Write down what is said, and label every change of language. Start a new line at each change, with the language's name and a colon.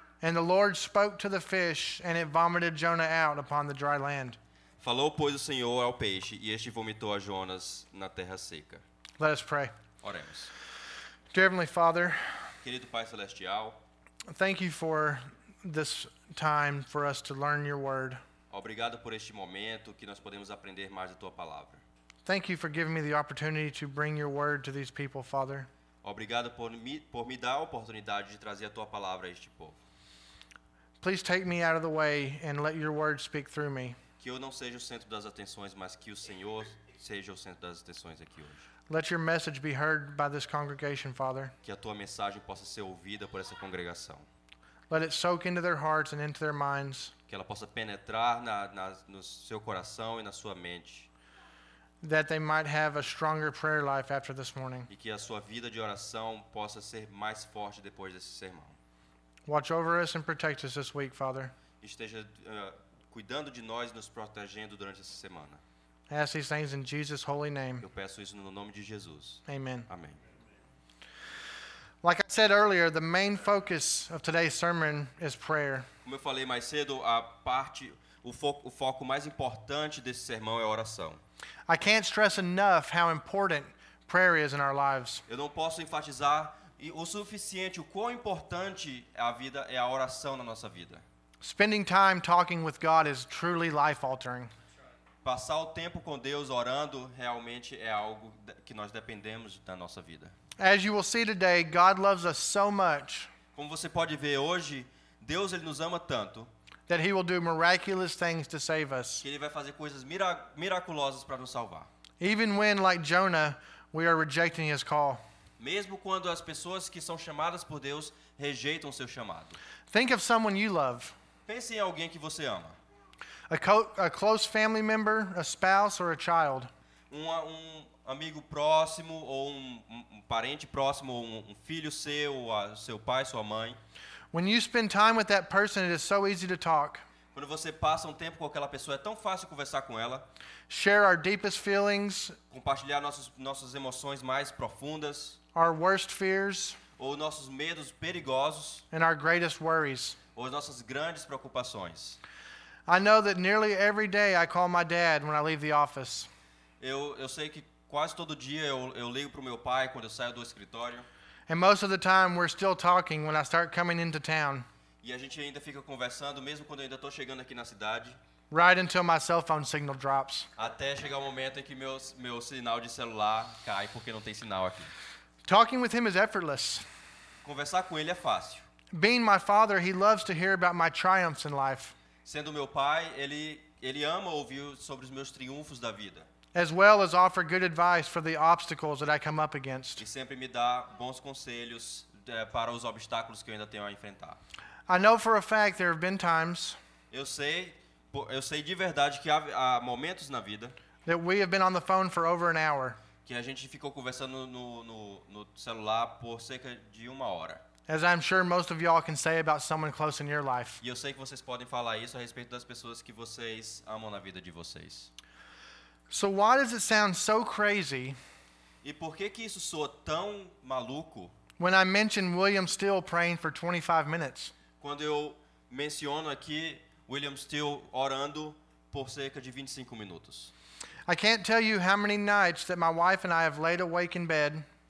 English: And the Lord spoke to the fish, and it vomited Jonah out upon the dry land.
Portuguese: Falou, pois, o Senhor ao peixe, e este vomitou a Jonas na terra seca.
English: Let us pray.
Portuguese: Oremos.
English: Dear Heavenly Father.
Portuguese: Querido Pai Celestial.
English: Thank you for this time for us to learn your word.
Portuguese: Obrigado por este momento que nós podemos aprender mais da tua palavra.
English: Thank you for giving me the opportunity to bring your word to these people, Father.
Portuguese: Obrigado por me dar a oportunidade de trazer a tua palavra a este povo.
English: Please take me out of the way and let your word speak through me.
Portuguese: Que eu não seja o centro das atenções, mas que o Senhor seja o centro das atenções aqui hoje.
English: Let your message be heard by this congregation, Father.
Portuguese: Que a tua mensagem possa ser ouvida por essa congregação.
English: Let it soak into their hearts and into their minds.
Portuguese: Que ela possa penetrar no seu coração e na sua mente.
English: That they might have a stronger prayer life after this morning.
Portuguese: E que a sua vida de oração possa ser mais forte depois desse sermão.
English: Watch over us and protect us this week, Father.
Portuguese: Esteja cuidando de nós e nos protegendo durante essa semana.
English: I ask these things in Jesus' holy name.
Portuguese: Eu peço isso no nome de Jesus.
English: Amen.
Portuguese: Amém.
English: Like I said earlier, the main focus of today's sermon is prayer.
Portuguese: Como eu falei mais cedo, o foco mais importante desse sermão é oração.
English: I can't stress enough how important prayer is in our lives.
Portuguese: Eu não posso enfatizar o suficiente o quão importante a oração na nossa vida.
English: Spending time talking with God is truly life altering.
Portuguese: Passar o tempo com Deus orando realmente é algo que nós dependemos da nossa vida.
English: As you will see today, God loves us so much.
Portuguese: Como você pode ver hoje, Deus ele nos ama tanto.
English: That he will do miraculous things to save us.
Portuguese: Que ele vai fazer coisas miraculosas para nos salvar.
English: Even when, like Jonah, we are rejecting his call.
Portuguese: Mesmo quando as pessoas que são chamadas por Deus rejeitam o seu chamado.
English: Think of someone you love.
Portuguese: Pense em alguém que você ama.
English: A close family member, a spouse, or a child.
Portuguese: Um amigo próximo, ou um parente próximo, ou um filho seu, ou seu pai, sua mãe.
English: When you spend time with that person, it is so easy to talk.
Portuguese: Quando você passa tempo com aquela pessoa, é tão fácil conversar com ela.
English: Share our deepest feelings.
Portuguese: Compartilhar nossas emoções mais profundas.
English: Our worst fears.
Portuguese: Ou nossos medos perigosos.
English: And our greatest worries.
Portuguese: Ou as nossas grandes preocupações.
English: I know that nearly every day I call my dad when I leave the office.
Portuguese: Eu sei que quase todo dia eu ligo pro meu pai quando eu saio do escritório.
English: And most of the time we're still talking when I start coming into town.
Portuguese: E a gente ainda fica conversando mesmo quando eu ainda tô chegando aqui na cidade.
English: Right until my cell phone signal drops.
Portuguese: Até chegar o momento em que meu sinal de celular cai porque não tem sinal aqui.
English: Talking with him is effortless.
Portuguese: Conversar com ele é fácil.
English: Being my father, he loves to hear about my triumphs in life.
Portuguese: Sendo meu pai, ele ama ouvir sobre os meus triunfos da vida.
English: As well as offer good advice for the obstacles that I come up against.
Portuguese: E sempre me dá bons conselhos para os obstáculos que eu ainda tenho a enfrentar.
English: I know for a fact there have been times.
Portuguese: Eu sei de verdade que há momentos na vida.
English: That we have been on the phone for over an hour.
Portuguese: Que a gente ficou conversando no celular por cerca de uma hora.
English: As I'm sure most of y'all can say about someone close in your life.
Portuguese: E eu sei que vocês podem falar isso a respeito das pessoas que vocês amam na vida de vocês.
English: So why does it sound so crazy?
Portuguese: E por que isso soa tão maluco?
English: When I mention William Steele praying for 25 minutes.
Portuguese: Quando eu menciono aqui William Steele orando por cerca de 25 minutos.
English: I can't tell you how many nights that my wife and I have laid awake in bed.